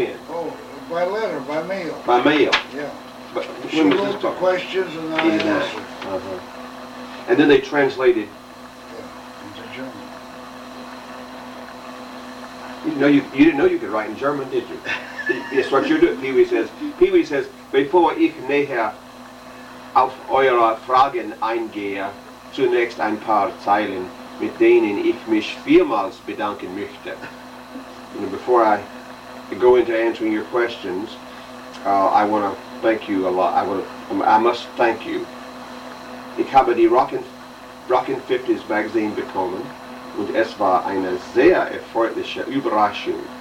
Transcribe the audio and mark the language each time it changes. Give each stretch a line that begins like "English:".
English: Oh, by letter, by mail. By mail? Yeah. But she when wrote was this the questions and I answered. And then they translated. You didn't know you could write in German, did you? It's what you're doing. Pee-wee says,
German: bevor ich näher auf eure Fragen eingehe, zunächst ein paar Zeilen, mit denen ich mich vielmals bedanken möchte.
English: You know, before I go into answering your questions, I want to thank you a lot. I must thank you.
German: Ich habe die Rock and Rockin' 50s magazine bekommen und es war eine sehr erfreuliche Überraschung.